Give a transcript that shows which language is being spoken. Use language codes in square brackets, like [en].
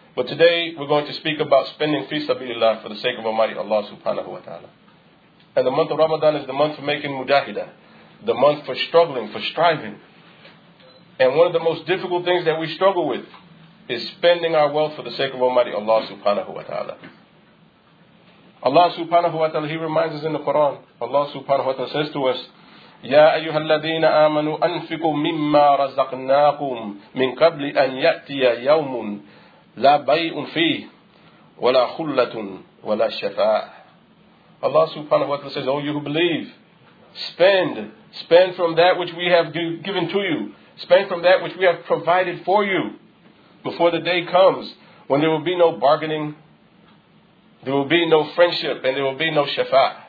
[en] But today, we're going to speak about spending fi sabilillah for the sake of Almighty Allah subhanahu wa ta'ala. And the month of Ramadan is the month for making mujahidah, the month for struggling, for striving. And one of the most difficult things that we struggle with is spending our wealth for the sake of Almighty Allah subhanahu wa ta'ala. Allah subhanahu wa ta'ala, He reminds us in the Quran, Allah subhanahu wa ta'ala says to us, [ar] يا أيها الذين آمنوا أنفقوا مما رزقناكم من قبل أن يأتي يوم لا بيع فيه ولا خلة ولا شفاعة. [en] Allah subhanahu wa ta'ala says, O you who believe, spend from that which we have given to you, spend from that which we have provided for you before the day comes when there will be no bargaining, there will be no friendship, and there will be no shafa'ah.